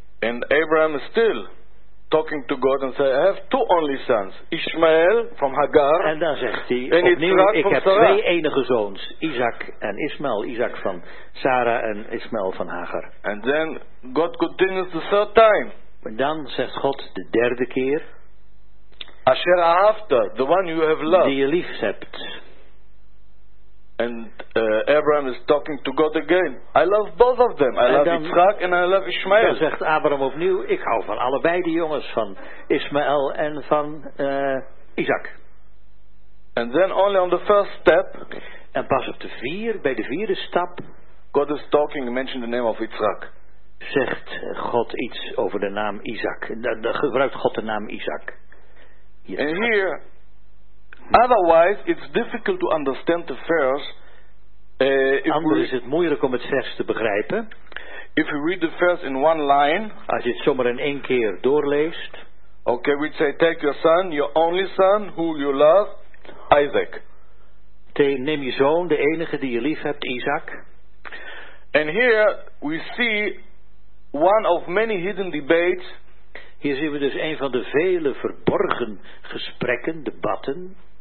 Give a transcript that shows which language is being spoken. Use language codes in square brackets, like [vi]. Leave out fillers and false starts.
[en] And Abraham is still talking to God and say, I have 2 only sons. Ishmael from Hagar. [nl] En dan zegt hij opnieuw, ik heb 2 enige zoons. Isaac en Ishmael. Isaac van Sarah en Ishmael van Hagar. [en] And then God continues the third time. [nl] En dan zegt God de derde keer, [he] Asher ahavta, [en] the one you have loved. [nl] Die je lief hebt. [en] And Abraham is talking to God again. I love both of them. I love Yitzhak and I love Ishmael. [nl] Dan zegt Abraham opnieuw, ik hou van allebei de jongens, van Ishmael en van Isaac. [en] And then only on the first step. [nl] En pas op de vierde stap. [en] God is talking, mentioned the name of Yitzhak. [nl] Zegt God iets over de naam Isaac. Dan gebruikt God de naam Isaac. [en] Yitzhak. And here, otherwise, it's difficult to understand the verse. [nl] Anders is het moeilijk om het vers te begrijpen. [en] If you read the verse in one line, [nl] als je het zomaar in één keer doorleest. [en] Okay, we say, take your son, your only son, who you love, Isaac. [nl] Neem je zoon, de enige die je lief hebt, Isaac. [en] And here we see one of many hidden debates. [nl] Hier zien we dus een van de vele verborgen gesprekken, debatten.